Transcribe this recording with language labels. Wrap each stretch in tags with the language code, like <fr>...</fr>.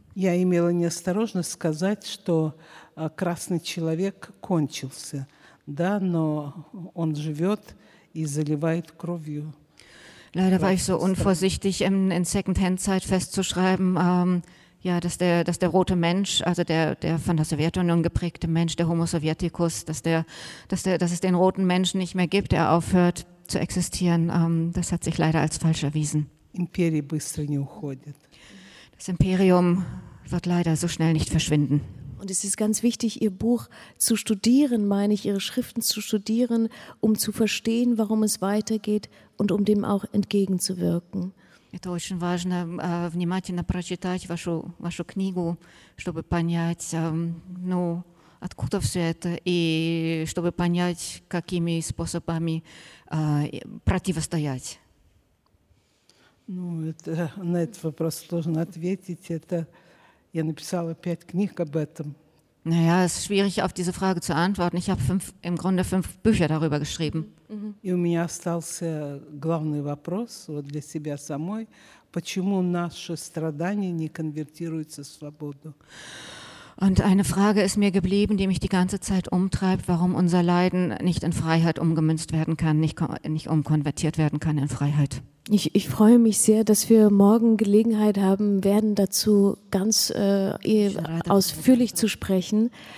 <ru>Я имела неосторожность сказать, что красный человек кончился, да, но он живет и заливает кровью.</ru> <de>Leider war ich so unvorsichtig, in Second-Hand-Zeit festzuschreiben, dass der rote Mensch, also der von der Sowjetunion geprägte Mensch, der Homo Sovieticus, dass es den roten Menschen nicht mehr gibt, er aufhört zu existieren. Das hat sich leider als falsch erwiesen.</de> <ru>Imperium быстро не уходит.</ru> <de>Das Imperium wird leider so schnell nicht verschwinden. Und es ist ganz wichtig, Ihr Buch zu studieren, meine ich, Ihre Schriften zu studieren, um zu verstehen, warum es weitergeht und um dem auch entgegenzuwirken.</de> <ru>Это очень важно внимательно прочитать вашу книгу, чтобы понять, ну, откуда все это, и чтобы понять, какими способами противостоять. Ну, это, на этот вопрос сложно ответить. Это я написала 5 книг об этом.</ru> <de>Naja, es ist schwierig, auf diese Frage zu antworten. Ich habe im Grunde 5 Bücher darüber geschrieben.</de> <ru>И у меня остался главный вопрос вот для себя самой: почему наши страдания не конвертируются в свободу?</ru> <de>Und eine Frage ist mir geblieben, die mich die ganze Zeit umtreibt: warum unser Leiden nicht in Freiheit umgemünzt werden kann, nicht umkonvertiert werden kann in Freiheit? Ich freue mich sehr, dass wir morgen Gelegenheit haben werden, dazu ganz ausführlich zu sprechen.</de>